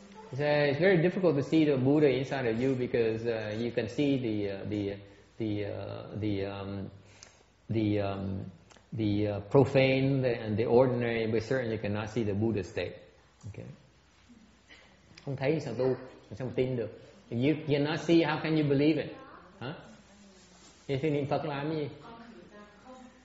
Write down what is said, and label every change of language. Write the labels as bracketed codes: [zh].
[en] He says it's very difficult to see the Buddha inside of you because you can see the profane and the ordinary, but certainly you cannot see the Buddha state. Okay. [vi] Không thấy sao tu, sao mà tin được? [en] If you cannot see, how can you believe it? Huh? If you niệm Phật [vi] làm gì? Huh?